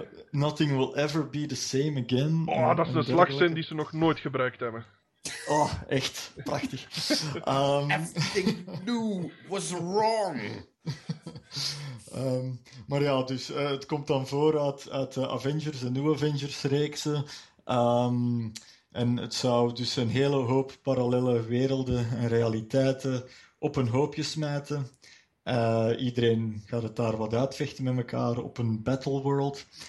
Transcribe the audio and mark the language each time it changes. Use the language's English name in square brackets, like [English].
[English] Nothing will ever be the same again. [Dutch] Oh, dat is de slagzin die ze nog nooit gebruikt hebben. Oh, echt. Prachtig. [English] Everything new was wrong. [Dutch] Maar ja, dus het komt dan voor uit de Avengers, de nieuwe Avengers-reeksen. En het zou dus een hele hoop parallele werelden en realiteiten op een hoopje smijten. Iedereen gaat het daar wat uitvechten met elkaar op een battle world.